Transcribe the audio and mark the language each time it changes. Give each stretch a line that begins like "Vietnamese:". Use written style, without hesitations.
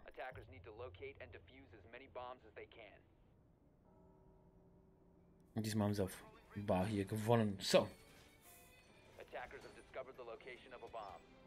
English: Attackers need to locate and defuse as many bombs as they can.
German: Und diesmal haben sie auf Bar hier gewonnen. So.
English: Attackers have discovered the location of a bomb.